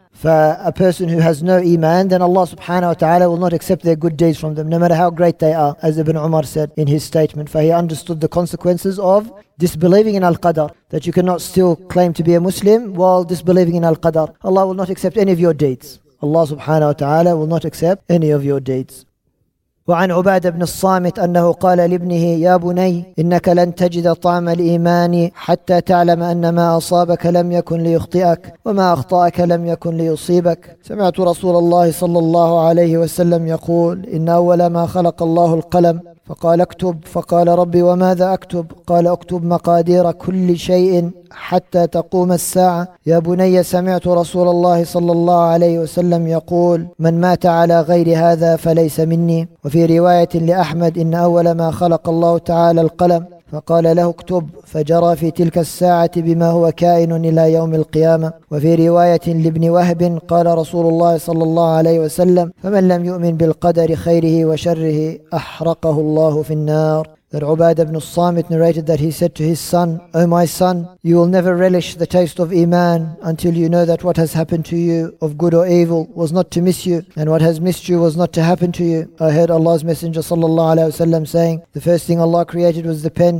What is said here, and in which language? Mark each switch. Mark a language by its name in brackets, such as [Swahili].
[English] For a person who has no iman, then Allah subhanahu wa ta'ala will not accept their good deeds from them, no matter how great they are, as Ibn Umar said in his statement. For he understood the consequences of disbelieving in al-qadr, that you cannot still claim to be a Muslim while disbelieving in al-qadr. Allah will not accept any of your deeds. Allah subhanahu wa ta'ala will not accept any of your deeds. [Arabic] وعن عبادة بن الصامت أنه قال لابنه يا بني إنك لن تجد طعم الإيمان حتى تعلم أن ما أصابك لم يكن ليخطئك وما أخطأك لم يكن ليصيبك. سمعت رسول الله صلى الله عليه وسلم يقول إن أول ما خلق الله القلم فقال اكتب فقال ربي وماذا أكتب؟ قال أكتب مقادير كل شيء حتى تقوم الساعة. يا بني سمعت رسول الله صلى الله عليه وسلم يقول من مات على غير هذا فليس مني. وفي رواية لأحمد إن أول ما خلق الله تعالى القلم فقال له اكتب فجرى في تلك الساعة بما هو كائن إلى يوم القيامة. وفي رواية لابن وهب قال رسول الله صلى الله عليه وسلم فمن لم يؤمن بالقدر خيره وشره أحرقه الله في النار. [English] That Ubadah ibn Samit narrated that he said to his son, O my son, you will never relish the taste of iman until you know that what has happened to you of good or evil was not to miss you, and what has missed you was not to happen to you. I heard Allah's Messenger sallallahu alaihi wasallam saying, the first thing Allah created was the pen.